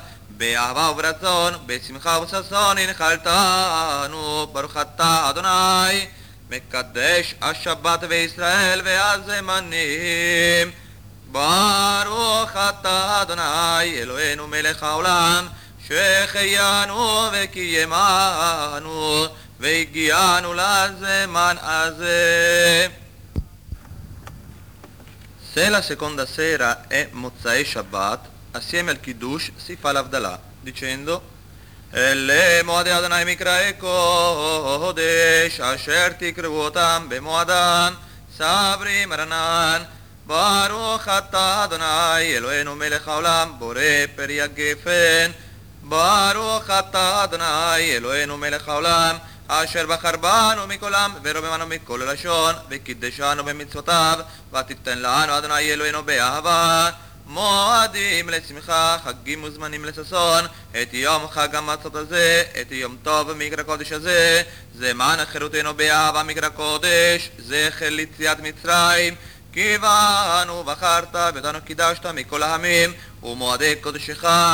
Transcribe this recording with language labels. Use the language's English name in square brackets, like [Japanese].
[Hebrew] באהבה וברצון בשמחה וששון הנחלתנו ברוך אתה אדוני מקדש השבת וישראל והזמנים ברוך אתה אדוני אלוהינו מלך העולם שחיינו וקיימנו והגיענו לזמן הזה. [Italian] Se la seconda sera è Mozzae Shabbat, assieme al Kiddush si fa l'Avdalah, dicendo [Hebrew] Ele Moade Adonai Mikrae Kodesh, Asher Tikru Otam Bemoadam, Sabri Maranan, Baruch Atta Adonai Eloheinu Melech Haolam, Bore Per Yaggefen, Baruch Atta Adonai Eloheinu Melech Haolam, אשר בחר בנו מכולם, ורוממנו מכל לשון, וקידשנו במצוותיו, ותיתן לנו אדוני אלוהינו באהבה. מועדים לשמחה, חגים וזמנים לששון, את יום חג המצות הזה, את יום טוב מקרא קודש הזה, זמן חירותנו באהבה מקרא קודש, זכר ליציאת מצרים, כי בנו בחרת ואותנו קידשת מכל העמים, ומועדי קודשך.